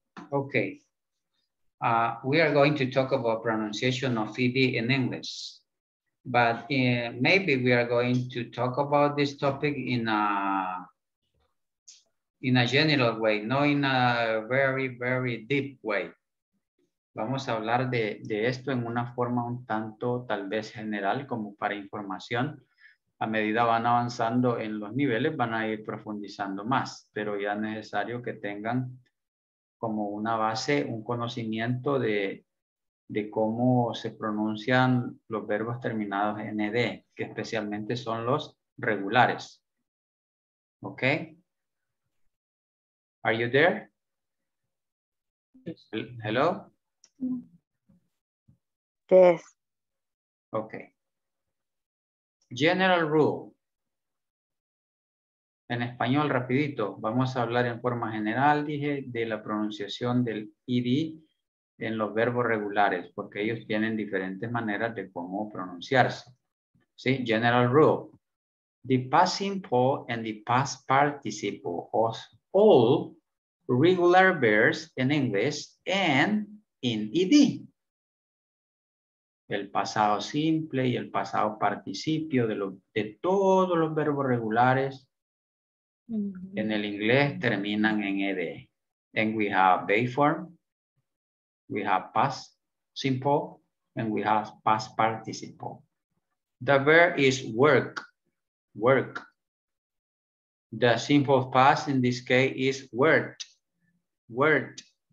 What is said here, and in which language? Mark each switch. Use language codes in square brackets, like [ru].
[en] Okay, we are going to talk about pronunciation of ED in English, but maybe we are going to talk about this topic in a general way, not in a very, very deep way. [es] Vamos a hablar de esto en una forma un tanto tal vez general como para información. A medida van avanzando en los niveles, van a ir profundizando más, pero ya es necesario que tengan como una base, un conocimiento de cómo se pronuncian los verbos terminados en ED, que especialmente son los regulares. ¿Ok? [en] Are you there? Hello? Yes. Okay. General rule. [es] En español, rapidito, vamos a hablar en forma general, dije, de la pronunciación del ED en los verbos regulares, porque ellos tienen diferentes maneras de cómo pronunciarse. [en] ¿Sí? General rule. The past simple and the past participle of all regular verbs in English and in ED. [es] El pasado simple y el pasado participio de todos los verbos regulares en el inglés terminan en ED. [en] And we have base form, we have past simple, and we have past participle. The verb is work, work. The simple past in this case is worked, worked.